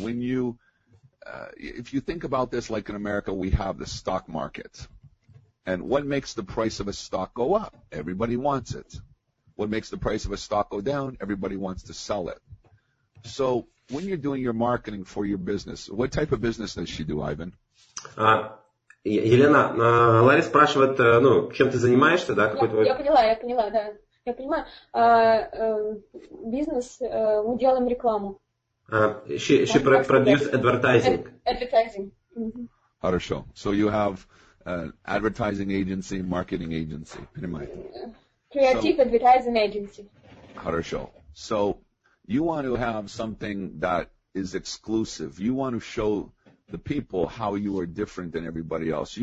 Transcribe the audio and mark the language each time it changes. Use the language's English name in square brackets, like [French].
[English] When you, if you think about this, like in America, we have the stock market. And what makes the price of a stock go up? Everybody wants it. What makes the price of a stock go down? Everybody wants to sell it. So when you're doing your marketing for your business, what type of business does she do, Ivan? [Russian] Елена, Ларис спрашивает, ну, чем ты занимаешься, да? Какой твой... Я поняла, да. Я понимаю. Бизнес, мы делаем рекламу. [English] She produces advertising. Advertising. [Russian] Mm-hmm. Хорошо. [English] So you have an advertising agency, marketing agency. [Russian] Понимаете? [English] Creative advertising agency. [Russian] Хорошо. [English] So you want to have something that is exclusive. You want to show the people how you are different than everybody else.